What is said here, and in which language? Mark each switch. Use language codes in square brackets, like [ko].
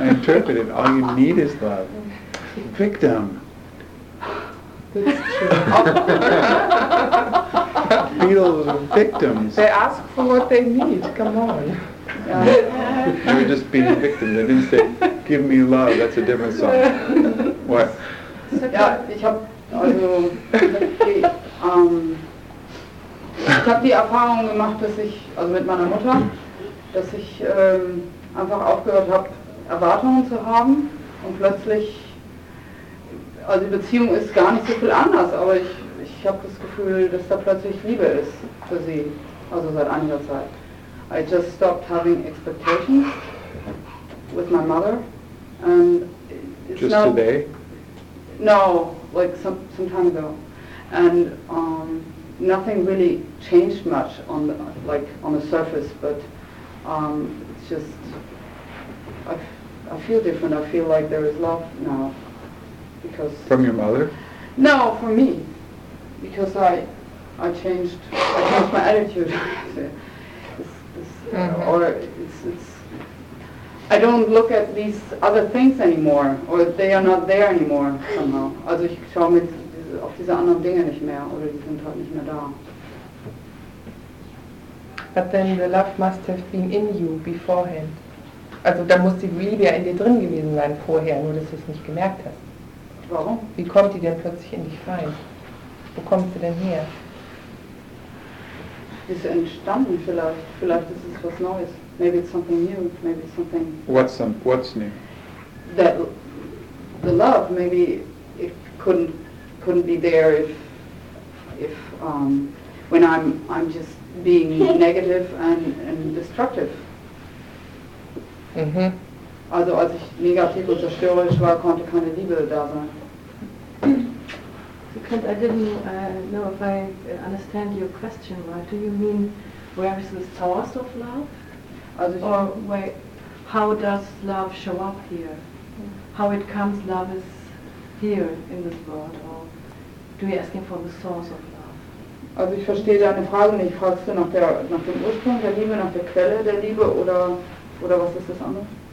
[en] I interpreted. All you need is love. Victim. That's true. Beatles are victims. They ask for what they need. Come on. You were just being a victim. They didn't say, give me love, that's a different song. What? [de] Ja, ich habe die Erfahrung gemacht, dass ich, also mit meiner Mutter, dass ich einfach aufgehört habe, Erwartungen zu haben und plötzlich, also die Beziehung ist gar nicht so viel anders, aber ich habe das Gefühl, dass da plötzlich Liebe ist für sie, also seit einiger Zeit. [en] I just stopped having expectations with my mother, and it's just not today. No, like some time ago, and nothing really changed much on the, like on the surface. But it's just I feel different. I feel like there is love now because from your mother. No, from me, because I changed my attitude. Mm-hmm. Or it's I don't look at these other things anymore, or they are not there anymore somehow. [de] Also ich schaue mir auf diese anderen Dinge nicht mehr, oder die sind halt nicht mehr da. [en] But then the love must have been in you beforehand. [de] Also da muss die Liebe ja in dir drin gewesen sein vorher, nur dass du es nicht gemerkt hast. Warum? Wie kommt die denn plötzlich in dich rein? Wo kommt sie denn her? Ist entstanden vielleicht. Vielleicht ist es was Neues. [en] Maybe it's something new. Maybe it's something. What's new? That the love. Maybe it couldn't be there if when I'm just being negative and destructive. Mhm. [de] Also als ich negativ und zerstörerisch war, konnte keine Liebe da sein. [en] I didn't know if I understand your question right. Do you mean where is the source of love? [de] Also [en] or where, how does love show up here? How it comes, love is here in this world? Or do you ask him for the source of love? [de] Also ich verstehe deine Frage nicht. Fragst du nach dem Ursprung der Liebe, nach der Quelle der Liebe oder was ist das andere?